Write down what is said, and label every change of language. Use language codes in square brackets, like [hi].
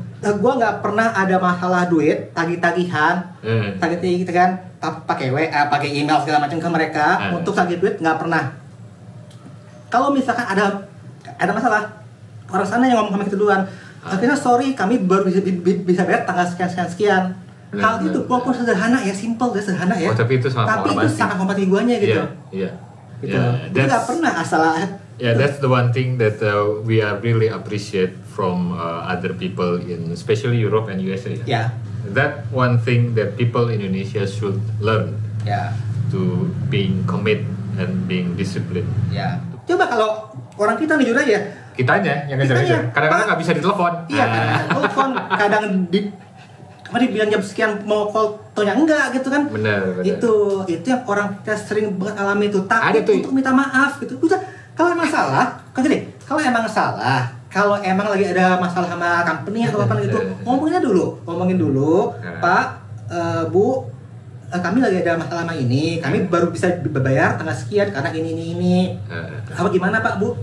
[id] Gue nggak pernah ada masalah duit, tagihan, tagihan gitu kan, pakai WA, pakai email segala macam ke mereka untuk tagih duit nggak pernah. Kalau misalkan ada masalah, orang sana yang ngomong sama kita duluan. Akhirnya [en] sorry, [id] kami baru bisa bayar tanggal sekian. Hal itu walaupun sederhana ya, simple ya, sederhana ya. Tapi itu sangat hormati. Tapi itu sangat hormati guanya gitu. Iya. Itu gak pernah asal. [en] Yeah, that's the one thing that we are really appreciate from other people in especially Europe and USA. Yeah. That one thing that people in Indonesia should learn. Yeah. To being commit and being disciplined. [id] Yeah. Coba kalau orang kita ngejar aja. Kitanya yang ngejar. Kadang-kadang nggak bisa ditelepon. Iya. Telepon kadang di. Kemarin dibilang jam sekian mau call, tonya enggak gitu kan? Benar. Itu yang orang kita sering mengalami itu takut untuk minta maaf gitu. Udah. Kalau emang salah, kan gini, kalau emang lagi ada masalah sama company atau apa gitu, ngomongin dulu, Pak, Bu, kami lagi ada masalah sama ini, kami baru bisa bayar tanggal sekian karena ini. Apa gimana Pak, Bu?